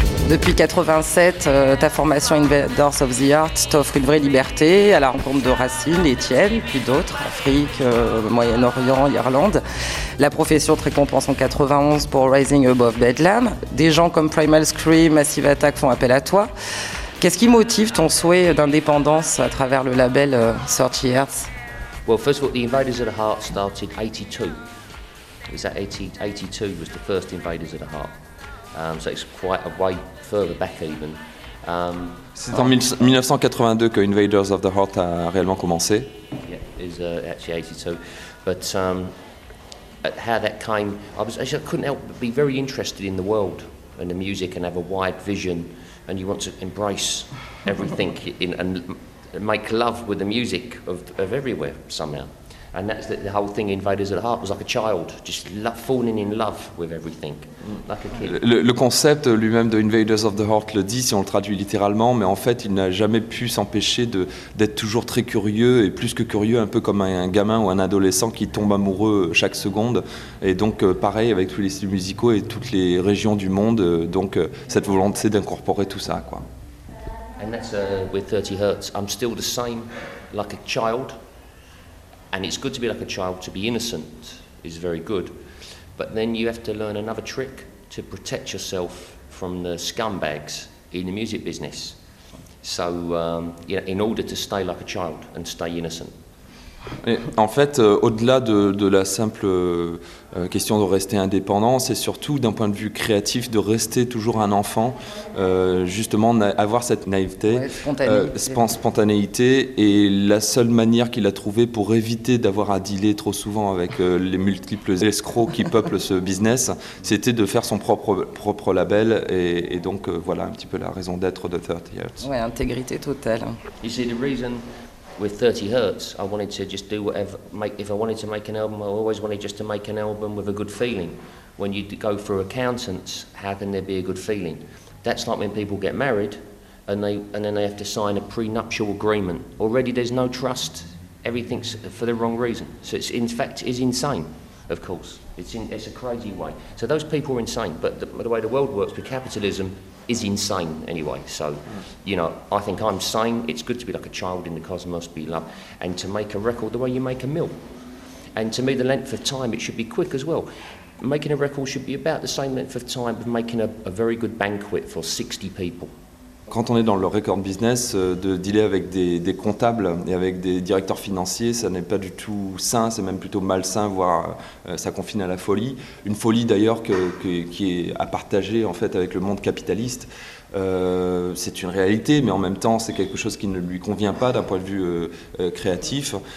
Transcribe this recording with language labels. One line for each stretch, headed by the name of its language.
French: Depuis 87, ta formation Invaders of the Earth t'offre une vraie liberté à la rencontre de racines, les tiennes, puis d'autres, Afrique, Moyen-Orient, Irlande. La profession te récompense en 91 pour Rising Above Bedlam. Des gens comme Primal Scream, Massive Attack font appel à toi. Qu'est-ce qui motive ton souhait d'indépendance à travers le label 30 Hertz?
English: Well, first of all, the Invaders of the Heart started 82. Is that 82 was the first Invaders of the Heart. So it's quite a way further back even.
French: C'est en 1982 que Invaders of the Heart a réellement commencé.
English: Yeah, is actually 82. But how that came, I couldn't help but be very interested in the world and the music and have a wide vision. And you want to embrace everything and make love with the music of everywhere somehow. And that's the whole thing, Invaders of the Heart, was like a child, just falling in love with everything, like a kid.
French: Le concept lui-même de Invaders of the Heart le dit, si on le traduit littéralement, mais en fait, il n'a jamais pu s'empêcher d'être toujours très curieux, et plus que curieux, un peu comme un gamin ou un adolescent qui tombe amoureux chaque seconde. Et donc, pareil avec tous les styles musicaux et toutes les régions du monde, donc cette volonté d'incorporer tout ça, quoi.
English: And that's with 30 Hertz. I'm still the same, like a child. And it's good to be like a child, to be innocent is very good. But then you have to learn another trick to protect yourself from the scumbags in the music business. So, you know, in order to stay like a child and stay innocent.
French: Et en fait, au-delà de la simple question de rester indépendant, c'est surtout d'un point de vue créatif de rester toujours un enfant, justement avoir cette naïveté, spontanéité, et la seule manière qu'il a trouvée pour éviter d'avoir à dealer trop souvent avec les multiples escrocs qui peuplent ce business, c'était de faire son propre label, et donc voilà un petit peu la raison d'être de 30 Hertz. Ouais, intégrité totale.
English: You see the reason with 30 Hertz, I wanted to just do whatever, if I wanted to make an album, I always wanted just to make an album with a good feeling. When you go for accountants, how can there be a good feeling? That's like when people get married and then they have to sign a prenuptial agreement. Already there's no trust, everything's for the wrong reason. So it's in fact is insane, of course. It's a crazy way. So those people are insane, but the way the world works with capitalism is insane anyway. So, you know, I think I'm sane. It's good to be like a child in the cosmos, be loved, and to make a record the way you make a meal. And to me, the length of time, it should be quick as well. Making a record should be about the same length of time of making a very good banquet for 60 people.
French: Quand on est dans le record business, de dealer avec des comptables et avec des directeurs financiers, ça n'est pas du tout sain, c'est même plutôt malsain, voire ça confine à la folie. Une folie d'ailleurs qui est à partager en fait avec le monde capitaliste. C'est une réalité, mais en même temps, c'est quelque chose qui ne lui convient pas d'un point de vue créatif.